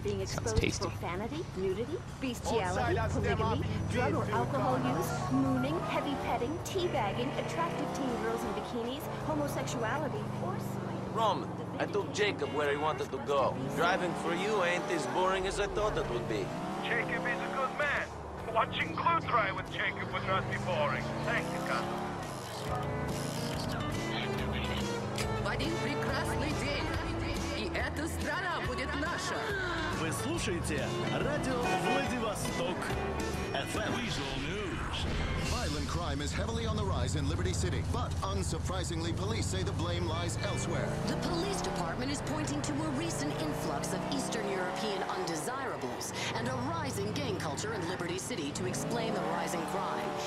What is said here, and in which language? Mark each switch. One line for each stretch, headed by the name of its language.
English: Being sounds tasty. Profanity, nudity, bestiality, polygamy, drug or alcohol use, mooning, heavy petting, teabagging, attractive teen girls in bikinis, homosexuality, or Roman, I took Jacob where he wanted to go. Driving for you ain't as boring as I thought it would be. Jacob is a good man. Watching glue dry with Jacob would not be boring. Thank you, Cousin.
Russian: В один прекрасный день, и эта страна будет наша. Вы слушаете радио Владивосток.
English: FM. Violent crime is heavily on the rise in Liberty City, but unsurprisingly, police say the blame lies elsewhere. The police department is pointing to a recent influx of Eastern European undesirables and a rising gang culture in Liberty City to explain the rising crime.